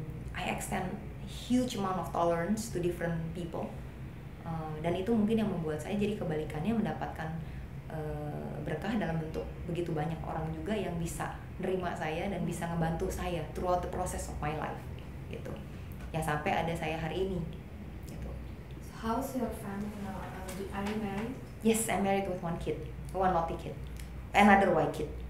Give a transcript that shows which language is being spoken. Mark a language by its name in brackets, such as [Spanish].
[English] I extend huge amount of tolerance to different people. [Indonesian] Dan itu mungkin yang membuat saya jadi kebalikannya mendapatkan berkah dalam bentuk begitu banyak orang juga yang bisa nerima saya dan bisa ngebantu saya [English] throughout the process of my life, [Indonesian] gitu. Ya sampai ada saya hari ini, gitu. [English] So how's your family now? Are you married? Yes, I'm married with one kid, one naughty kid, another white kid.